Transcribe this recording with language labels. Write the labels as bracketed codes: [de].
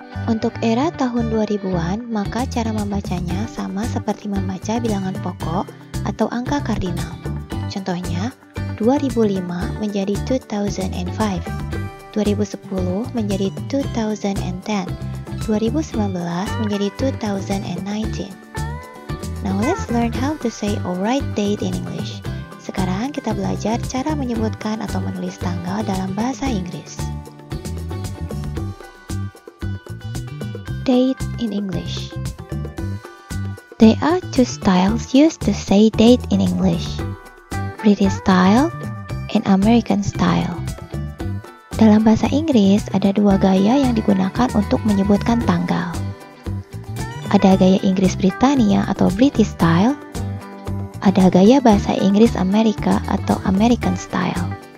[id] Untuk era tahun 2000-an, maka cara membacanya sama seperti membaca bilangan pokok atau angka kardinal. Contohnya, 2005 menjadi 2005, 2010 menjadi 2010, 2019 menjadi 2019. [en] Now let's learn how to say alright date in English. [id] Sekarang kita belajar cara menyebutkan atau menulis tanggal dalam bahasa Inggris. [en] Date in English. There are two styles used to say date in English. British style and American style. [id] Dalam bahasa Inggris, ada dua gaya yang digunakan untuk menyebutkan tanggal. Ada gaya Inggris Britania atau British Style. Ada gaya bahasa Inggris Amerika atau American Style.